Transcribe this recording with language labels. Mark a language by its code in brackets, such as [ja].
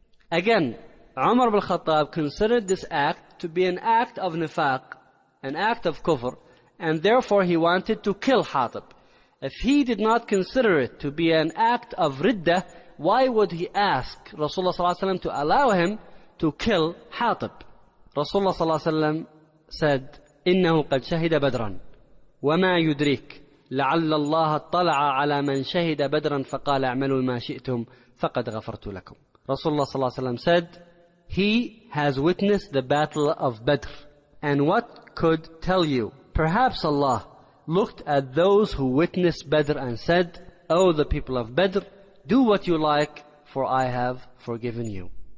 [en] Again, Umar bin Khattab considered this act to be an act of nifaq, an act of kufr, and therefore he wanted to kill Hatib. If he did not consider it to be an act of riddah, why would he ask Rasulullah sallallahu alayhi wa sallam to allow him to kill Hatib? [ar] Rasulullah sallallahu alayhi wa sallam said, إِنَّهُ قَدْ شَهِدَ بَدْرًا وَمَا يُدْرِيكَ لَعَلَّ اللَّهَ اطَّلَعَ عَلَى مَنْ شَهِدَ بَدْرًا فَقَالَ اعْمَلُوا مَا شِئْتُمْ فَقَدْ غَفَرْتُ لَكُمْ. [en] Rasulullah sallallahu alayhi wa sallam said, he has witnessed the battle of Badr. And what could tell you? Perhaps Allah looked at those who witnessed Badr and said, O the people of Badr, do what you like, for I have forgiven you.